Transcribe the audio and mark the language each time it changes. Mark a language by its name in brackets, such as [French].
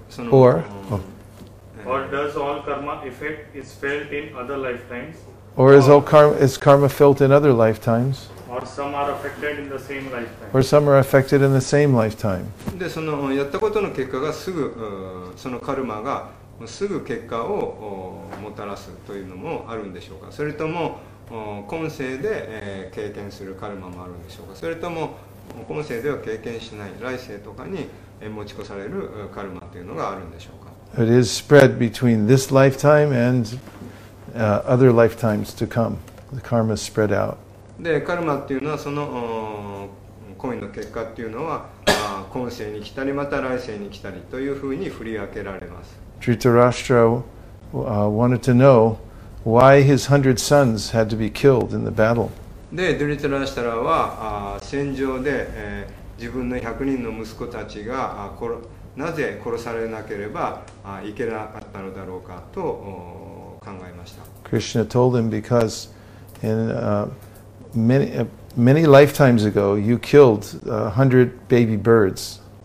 [English] Or does all karma effect is felt in other lifetimes? Or is all karma felt in other lifetimes? Or some are affected in the same lifetime? Or some are affected in the same lifetime? [Japanese] で、そのやったことの結果がすぐそのカルマがすぐ結果をもたらすというのもあるんでしょうか。それとも今世で経験するカルマもあるんでしょうか。それとも今世では経験しない来世とかに持ち越されるカルマというのがあるんでしょうか。 [English] It is spread between this lifetime and other lifetimes to come. The karma is spread out. [Japanese] で、カルマっていうのはその恋の結果っていうのは今世に来たりまた来世に来たりというふうに振り分けられます。 [English] Dhritarashtra wanted to know why his 100 sons had to be killed in the battle. [Japanese] で、ドゥリタラシュトラは戦場で自分の100人の息子たちがなぜ殺されなければいけなかったのだろうかと考えました。 [English] Krishna told him because in many, many lifetimes ago, you killed 100 baby birds.